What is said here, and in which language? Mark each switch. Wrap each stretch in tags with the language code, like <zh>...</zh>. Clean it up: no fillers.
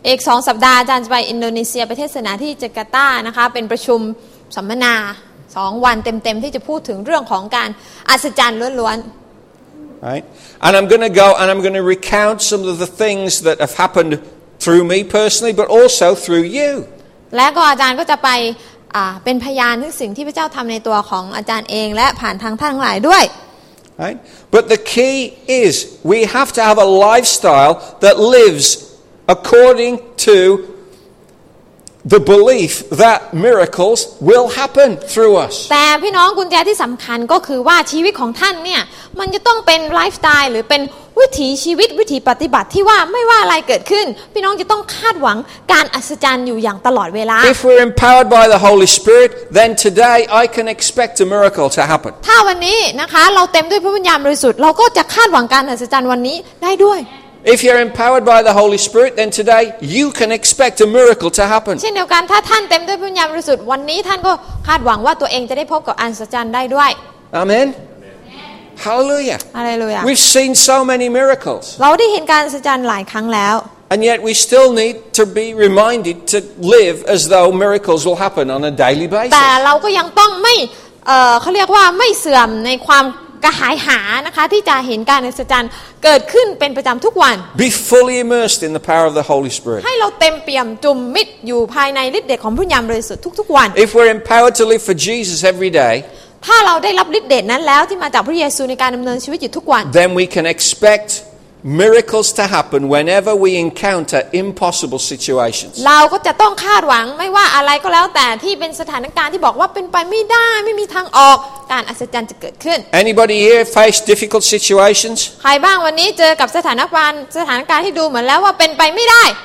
<th>อีก2สัปดาห์อาจารย์จะไปอินโดนีเซียไปเทศนาที่จาการ์ตานะคะเป็นประชุมสัมมนา2วันเต็มๆที่จะพูดถึงเรื่องของการอัศจรรย์ล้วน</th> <en>ๆ Right and I'm going to go and I'm going to recount some of the things that have happenedthrough me personally but also through you</en> <th>และก็อาจารย์ก็จะไปเป็นพยานถึงสิ่งที่พระเจ้าทำในตัวของอาจารย์เองและผ่านทางท่านทั้งหลายด้วย</th> <en>Right but the key is we have to have a lifestyle that lives according to the belief that miracles will happen through us</en> <th>แต่พี่น้องกุญแจที่สำคัญก็คือว่าชีวิตของท่านเนี่ยมันจะต้องเป็นไลฟ์สไตล์หรือเป็นวิถีชีวิตวิถีปฏิบัติที่ว่าไม่ว่าอะไรเกิดขึ้นพี่น้องจะต้องคาดหวังการอัศจรรย์อยู่อย่างตลอดเวลา</th> <en>If we're empowered by the Holy Spirit then today I can expect a miracle to happen</en> <th>ถ้าวันนี้นะคะเราเต็มด้วยพระวิญญาณบริสุทธิ์เราก็จะคาดหวังการอัศจรรย์วันนี้ได้ด้วย</th> <en>If you're empowered by the Holy Spirit then today you can expect a miracle to happen</en> <th>เช่นเดียวกันถ้าท่านเต็มด้วยพระวิญญาณบริสุทธิ์วันนี้ท่านก็คาดหวังว่าตัวเองจะได้พบกับอัศจรรย์ได้ด้วย</th> <en>AmenHallelujah. Hallelujah. We've seen so many miracles.</en> <th>เราได้เห็นการอัศจรรย์หลายครั้งแล้ว</th> <en>And yet we still need to be reminded to live as though miracles will happen on a daily basis.</en> <th>แต่เราก็ยังต้องไม่เขาเรียกว่าไม่เสื่อมในความกระหายหานะคะที่จะเห็นการอัศจรรย์เกิดขึ้นเป็นประจำทุกวัน</th> <en>Be fully immersed in the power of the Holy Spirit.</en> <th>ให้เราเต็มเปี่ยมจุ่มมิดอยู่ภายในฤทธิ์เดชของพระวิญญาณบริสุทธิ์ทุกๆวัน</th> <en>If we're empowered to live for Jesus every day,</en> <th>ถ้าเราได้รับฤทธิ์เดชนั้นแล้วที่มาจากพระเยซูในการดำเนินชีวิตอยู่ทุกวัน</th> <en>Then we can expect miracles to happen whenever we encounter impossible situations</en> <th>เราก็จะต้องคาดหวังไม่ว่าอะไรก็แล้วแต่ที่เป็นสถานการณ์ที่บอกว่าเป็นไปไม่ได้ไม่มีทางออกการอัศจรรย์จะเกิดขึ้น</th> <en>Anybody here face difficult situations</en> <th>ใครบ้างวันนี้เจอกับสถานการณ์ที่ดูเหมือนแล้วว่าเป็นไปไม่ได้</th>